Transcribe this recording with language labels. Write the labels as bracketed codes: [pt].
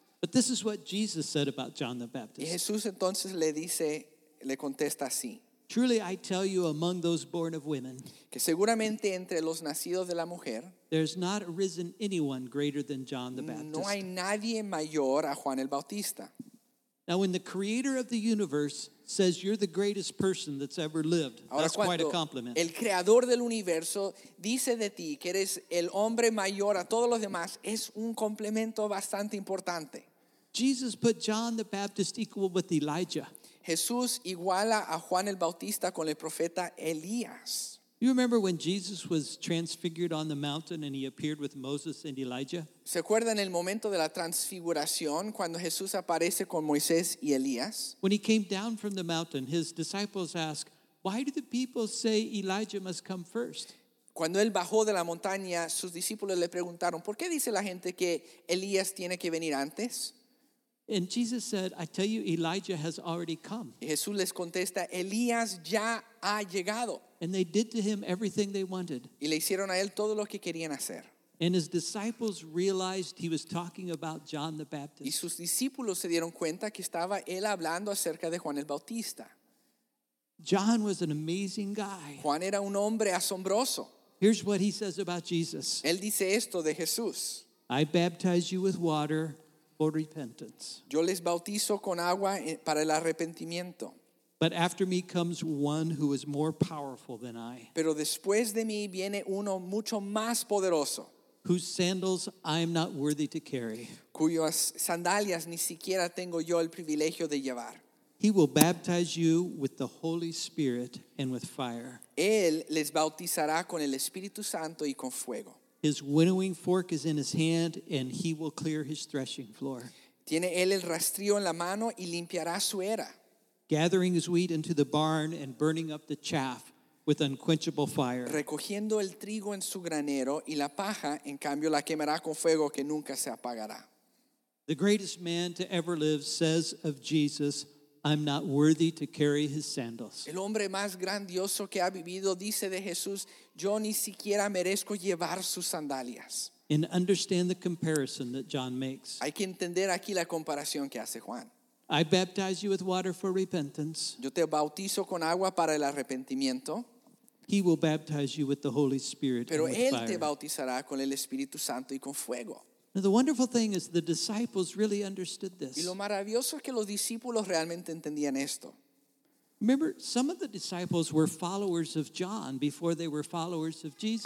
[en] But this is what Jesus said about John the Baptist. [es] Y Jesús entonces le dice, le contesta así. [en] "Truly, I tell you, among those born of women, [es] que seguramente entre los nacidos de la mujer, [en] there's not arisen anyone greater than John the Baptist. [es] No hay nadie mayor a Juan el Bautista." [en] Now, when the creator of the universe says you're the greatest person that's ever lived, [es] ahora, [en] that's quite a compliment. [es] El creador del universo dice de ti que eres el hombre mayor a todos los demás, es un complemento bastante importante. [en] Jesus put John the Baptist equal with Elijah. [es] Jesús iguala a Juan el Bautista con el profeta Elías. [en] You remember when Jesus was transfigured on the mountain and he appeared with Moses and Elijah? [es] ¿Se acuerdan el momento de la transfiguración cuando Jesús aparece con Moisés y Elías? [en] When he came down from the mountain, his disciples asked, "Why do the people say Elijah must come first?" [es] Cuando él bajó de la montaña, sus discípulos le preguntaron, "¿Por qué dice la gente que Elías tiene que venir antes?" [en] And Jesus said, "I tell you, Elijah has already come." [es] Y Jesús les contesta, "Elías ya ha llegado." [en] And they did to him everything they wanted. [es] Y le hicieron a él todo lo que querían hacer. [en] And his disciples realized he was talking about John the Baptist. [es] Y sus discípulos se dieron cuenta que estaba él hablando acerca de Juan el Bautista. [en] John was an amazing guy. [es] Juan era un hombre asombroso. [en] Here's what he says about Jesus. [es] Él dice esto de Jesús. [en] "I baptize you with water, for repentance. [es] Yo les bautizo con agua para el arrepentimiento. [en] But after me comes one who is more powerful than I. [es] Pero después de mí viene uno mucho más poderoso. [en] Whose sandals I am not worthy to carry. [es] Cuyas sandalias ni siquiera tengo yo el privilegio de llevar. [en] He will baptize you with the Holy Spirit and with fire. [es] Él les bautizará con el Espíritu Santo y con fuego. [en] His winnowing fork is in his hand, and he will clear his threshing floor. [es] Tiene él el rastrillo en la mano y limpiará su era. [en] Gathering his wheat into the barn and burning up the chaff with unquenchable fire. [es] Recogiendo el trigo en su granero y la paja, en cambio, la quemará con fuego que nunca se apagará. [en] The greatest man to ever live says of Jesus, I'm not worthy to carry his sandals. [es] El hombre más grandioso que ha vivido dice de Jesús, yo ni siquiera merezco llevar sus sandalias. [en] And understand the comparison that John makes. [es] Hay que entender aquí la comparación que hace Juan. [en] I baptize you with water for repentance. [es] Yo te bautizo con agua para el arrepentimiento. [en] He will baptize you with the Holy Spirit. [es] Pero él [en] fire. [es] Te bautizará con el Espíritu Santo y con fuego. [en] Now the wonderful thing is the disciples really understood this. [es] Y lo maravilloso es que los discípulos realmente entendían esto. [en] Remember, some of the disciples were followers of John before they were followers of Jesus.